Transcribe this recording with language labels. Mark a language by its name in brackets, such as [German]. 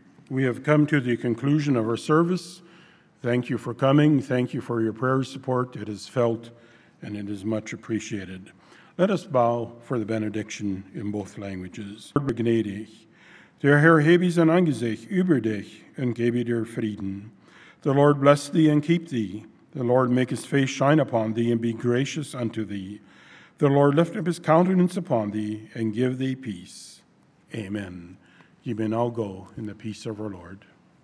[English] We have come to the conclusion of our service. Thank you for coming. Thank you for your prayer support. It is felt and it is much appreciated. Let us bow for the benediction in both languages. [German] Der Herr hebe sein Angesicht über dich und gebe dir Frieden. [English] The Lord bless thee and keep thee. The Lord make his face shine upon thee and be gracious unto thee. The Lord lift up his countenance upon thee and give thee peace. Amen. You may now go in the peace of our Lord.